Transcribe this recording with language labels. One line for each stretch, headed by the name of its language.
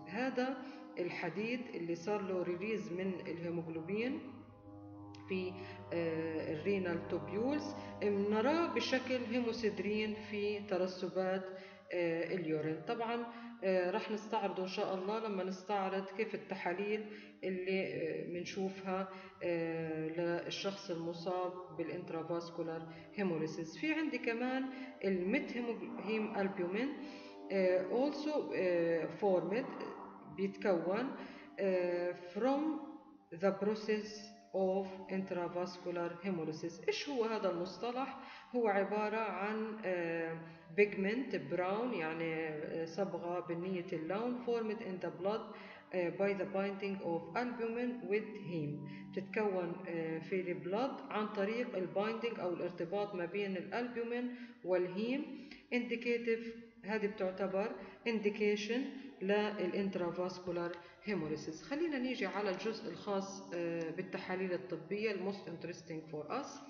Arabic: هذا الحديد اللي صار له ريليز من الهيموغلوبين في الرينال توبيولز بنراه بشكل هيموسيدرين في ترسبات اليورين. طبعا راح نستعرضه ان شاء الله لما نستعرض كيف التحاليل اللي بنشوفها للشخص المصاب بالانترافاسكولار هيموليسيس. في عندي كمان الميت هيم البيومين
English: also formed
Arabic: بيتكون
English: from the process of intravascular hemolysis.
Arabic: ايش هو هذا المصطلح؟ هو عبارة عن
English: pigment brown
Arabic: يعني صبغة بنية اللون
English: formed in the blood by the binding of albumin with heme.
Arabic: بتتكون في البلد عن طريق البايندينج او الارتباط ما بين الالبومين والهيم. indicative هذه بتعتبر indication للانترافاسكولار هيموليسيس. خلينا نيجي على الجزء الخاص بالتحاليل الطبية
English: most interesting for us.